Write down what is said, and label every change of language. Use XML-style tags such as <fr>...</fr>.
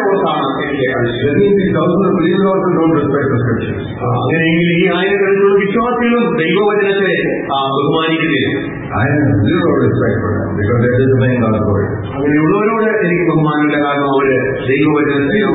<en>believers also don't respect the scriptures.</en> <ml>അങ്ങനെയെങ്കിൽ ഈ ആയിരക്കണക്കിലുള്ള വിശ്വാസികളും ദൈവവചനത്തെ ബഹുമാനിക്കുകയാണ്.</ml> <en>I have zero respect for them because they are disobeying God's word.</en> <ml>അങ്ങനെ ഉള്ളവരോട് എനിക്ക് ബഹുമാനമില്ല, കാരണം അവര് ദൈവവചനത്തെ</ml>